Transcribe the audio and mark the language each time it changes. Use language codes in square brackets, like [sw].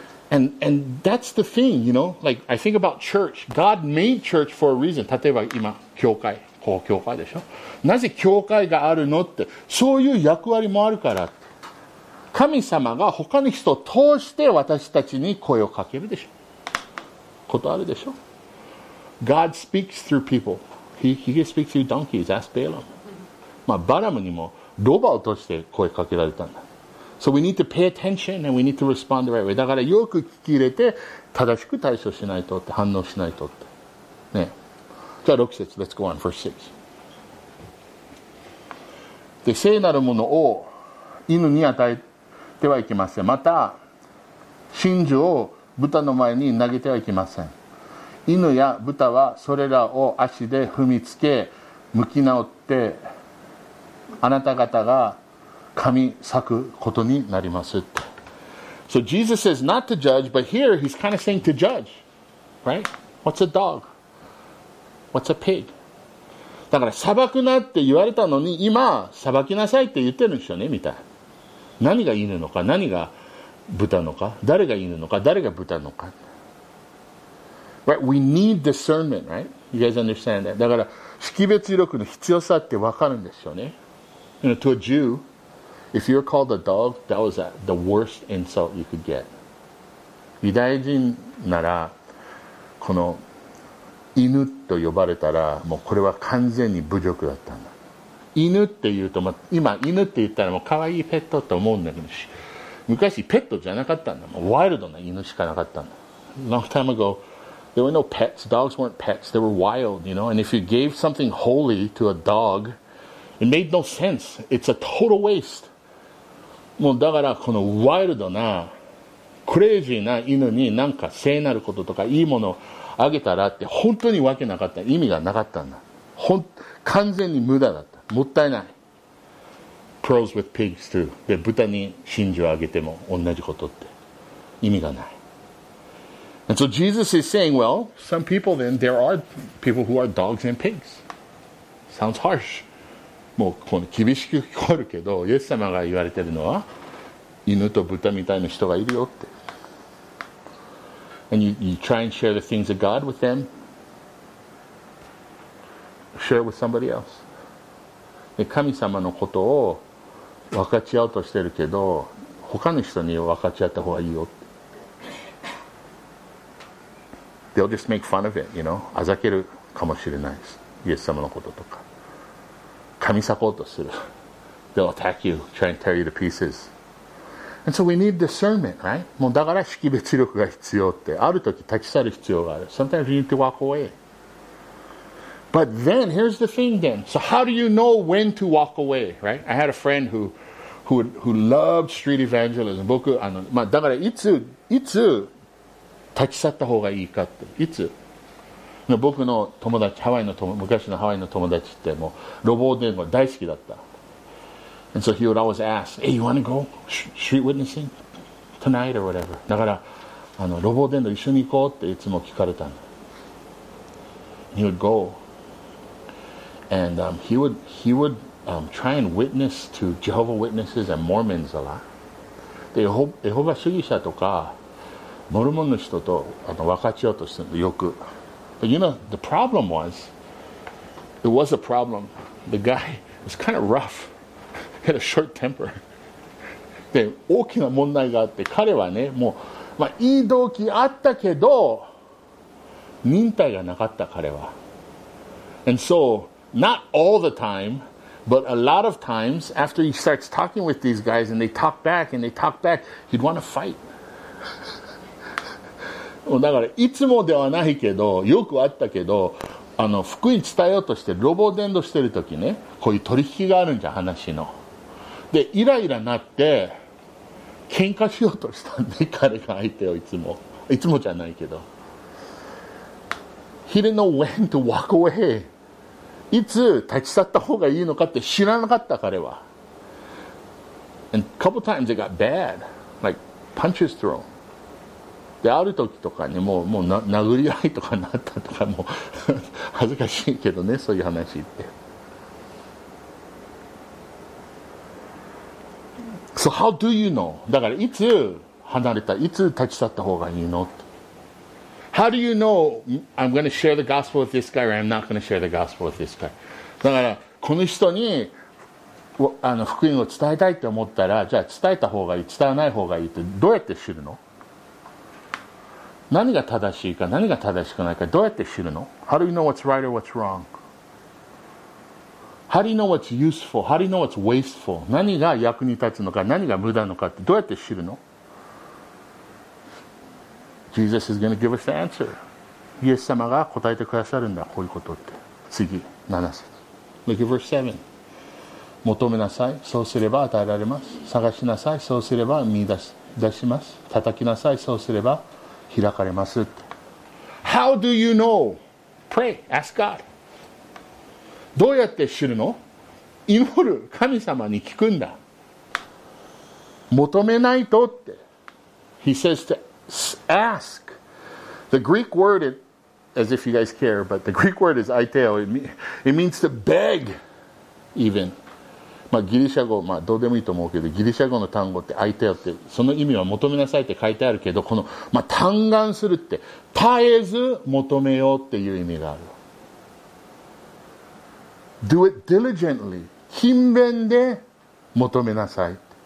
[en] And that's the thing, you know, like I think about church. God made church for a reason. [ja] 例えば今、教会、ここ教会でしょ。なぜ教会があるのって、そういう役割もあるから。神様が他の人を通して私たちに声をかけるでしょ。ことあるでしょ。 [en] God speaks through people. He speaks through donkeys, ask Balaam. [ja] まあ、バラムにもロバを通して声かけられたんだ。 [en] So we need to pay attention and we need to respond the right way. [ja] だからよく聞き入れて正しく対処しないとって反応しないとって。ね。じゃあ6節、 [en] Let's go on, verse 6. [ja] で、聖なるものを犬に与えてはいけません。また、真珠を豚の前に投げてはいけません。犬や豚はそれらを足で踏みつけ、向き直って、あなた方が神裂くことになりますって。 [en] So Jesus says not to judge, but here he's kind of saying to judge, right? What's a dog? What's a pig? [ja] だから裁くなって言われたのに今裁きなさいって言ってるんでしょうねみたいな。何が犬のか何が豚のか誰が犬のか誰が豚のか。 [en] Right, we need discernment, right? You guys understand that? [ja] だから識別力の必要さって分かるんですよね。 [en] You know, to a Jew, if you were called a dog, that was the worst insult you could get. [ja] ユダヤ人ならこの犬と呼ばれたらもうこれは完全に侮辱だったんだ。犬っていうと、まあ、今犬って言ったらもう可愛いペットと思うんだけど、昔ペットじゃなかったんだ。もうワイルドな犬しかなかったんだ。 [en] Long time ago, there were no pets. Dogs weren't pets. They were wild, you know. And if you gave something holy to a dog, it made no sense. It's a total waste. [ja] もうだからこのワイルドなクレイジーな犬になんか聖なることとかいいものあげたらって本当にわけなかった。意味がなかったんだ。ほん完全に無駄だった。もったいない。 [en] Pearls with pigs too. [ja] で豚に真珠をあげても同じことって意味がない。 [en] And so Jesus is saying, well, some people then, there are people who are dogs and pigs. Sounds harsh. [ja] もうこの厳しく聞こえるけど、イエス様が言われてるのは犬と豚みたいな人がいるよって。 [en] And you try and share the things of God with them. Share it with somebody else. [ja] で、神様のことを分かち合おうとしてるけど、他の人に分かち合った方がいいよ。 [en] They'll just make fun of it, you know. [ja] あざけるかもしれないです。イエス様のこととか。神裂こうとする。 [en] They'll attack you, try and tear you to pieces. And so we need discernment, right? [ja] もうだから識別力が必要って、ある時立ち去る必要がある。 [en] Sometimes you need to walk away. But then, here's the thing then. So how do you know when to walk away, right? I had a friend who loved street evangelism. [ja] 僕、あの、まあ、だからいつ立ち去った方がいいかって。いつ？僕の友達、ハワイの友、昔のハワイの友達ってもう、路傍伝言大好きだった。 [en] And so he would always ask, hey, you want to go street witnessing tonight or whatever? [ja] だから、あの、ロボ伝道一緒に行こうっていつも聞かれたの。 [en] He would go. And he would try and witness to Jehovah Witnesses and Mormons a lot. [ja] で、エホバ主義者とか、モルモンの人と、あの、分かち合おうとしてるの、よく。 [en] But you know, the problem was, it was a problem. The guy was kind of rough. Had a short temper. [ja] で、大きな問題があって、彼はね、もう、まあ、いい動機あったけど、忍耐がなかった、彼は。 [en] And so, not all the time, but a lot of times, after he starts talking with these guys, and they talk back, and they talk back, he'd want to fight. [ja] だから、いつもではないけど、よくあったけど、あの、福音伝えようとして、ロボ伝道してるときね、こういう取引があるんじゃ、話の。で、イライラなって喧嘩しようとしたんで、彼が相手をいつも。いつもじゃないけど。 [en] He didn't know when to walk away. [ja] いつ立ち去った方がいいのかって知らなかった、彼は。 [en] And a couple times it got bad. Like, punches thrown. [ja] で、ある時とかに、ね、もう殴り合いとかなったとか、もう恥ずかしいけどね、そういう話って。 [en] So how do you know? [ja] だからいつ離れた、いつ立ち去った方がいいの？ [en] How do you know I'm going to share the gospel with this guy or I'm not going to share the gospel with this guy? [ja] だからこの人にあの福音を伝えたいって思ったら、じゃあ伝えた方がいい、伝わない方がいいってどうやって知るの？何が正しいか、何が正しくないか、どうやって知るの？ [en] How do you know what's right or what's wrong? How do you know what's useful? How do you know what's wasteful? [ja] 何が役に立つのか、何が無駄のかってどうやって知るの？ [en] Jesus is going to give us the answer. [ja] イエス様が答えてくださるんだ、こういうことって。次、7節。 [en] Look at verse 7. [ja] 求めなさい、そうすれば与えられます。探しなさい、そうすれば見出します。叩きなさい、そうすれば開かれます。 [en] How do you know? Pray, ask God. [ja] どうやって知るの？祈る、神様に聞くんだ。求めないとって。 [en] He says to ask. The Greek word, as if you guys care, but the Greek word is aiteo. It means to beg, even. [ja] まあ、ギリシャ語、まあ、どうでもいいと思うけど、ギリシャ語の単語って相手よって、その意味は求めなさいって書いてあるけど、この、まあ、嘆願するって、絶えず求めようっていう意味がある。 [en] Do it diligently. [ja] 勤勉で求めなさい。